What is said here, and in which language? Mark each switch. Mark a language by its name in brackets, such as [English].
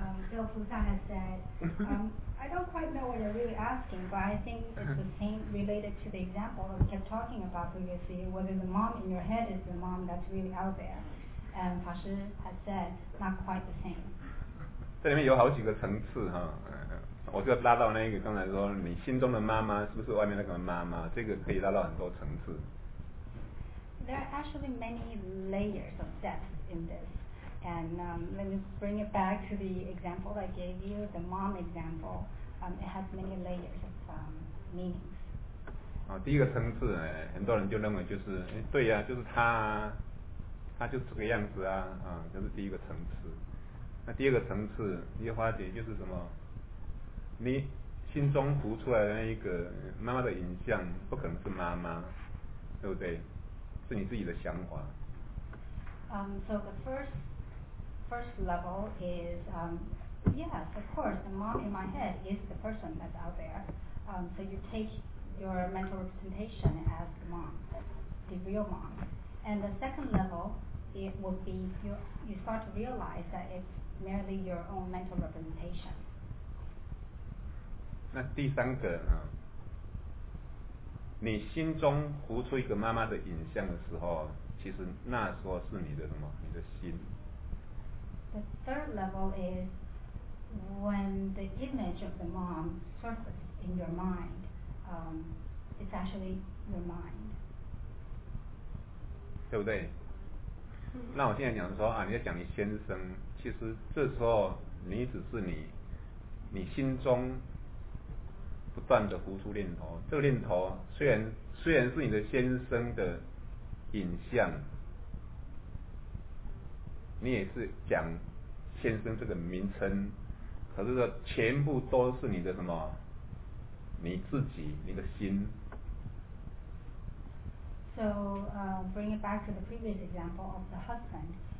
[English] Bill Poussin has said, I don't quite know what you're really asking, but I think it's the same related to the example that we kept talking about previously, whether the mom in your head is the mom that's really out there. And Pashi has said, not quite the same. [Chinese] 这里面有好几个层次哈，我就拉到那个刚才说你心中的妈妈是不是外面那个妈妈，这个可以拉到很多层次。 [English] There are actually many layers of depth in this, and let me bring it back to the example I gave you, the mom example. It has many layers of meanings. [Chinese] 第一个层次，很多人就认为就是，对呀，就是他，他就是这个样子啊，就是第一个层次。那第二个层次，你发觉就是什么？你心中浮出来的那一个妈妈的影像，不可能是妈妈，对不对？是你自己的想法。 [English] So the first level is yes, of course, the mom in my head is the person that's out there. So you take your mental representation as the mom, the real mom. And the second level, it will be you start to realize that it's. Merely your own mental representation. [Chinese] 那第三个啊，你心中浮出一个妈妈的影像的时候，其实那说是你的什么？你的心。 [English] The third level is when the image of the mom surfaces in your mind. It's actually your mind. [Chinese] 对不对？那我现在讲说啊，你要讲你先生。其实这时候你只是你心中不断的浮出念头，这个念头虽然是你的先生的影像，你也是讲先生这个名称，可是说全部都是你的什么，你自己，你的心。 [English] So, bring it back to the previous example of the husband.